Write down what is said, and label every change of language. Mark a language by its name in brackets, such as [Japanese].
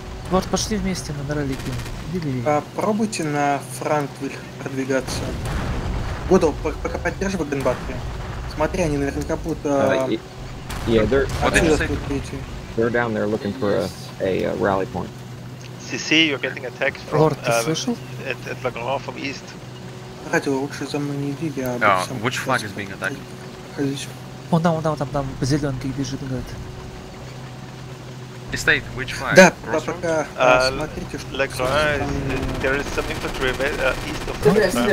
[Russian] Вот, пошли вместе на ролики. Попробуйте на Франквиль продвигаться. Годл, пока поддерживай Гринбаттери. Смотри, они наверняка будут... [English] They're down there looking for a rally point. CC, you're getting attacked from... [Russian] Лорд, ты слышал? [English] At Lagrange from east. [Russian] Радио, лучше за мной не иди, я... [English] Which flag is being attacked? [Russian] Он там, там, по зелёнке бежит, говорит. [English] Estate, which flag? [Russian] Да, пока, смотрите, что... [English] There is some infantry east of...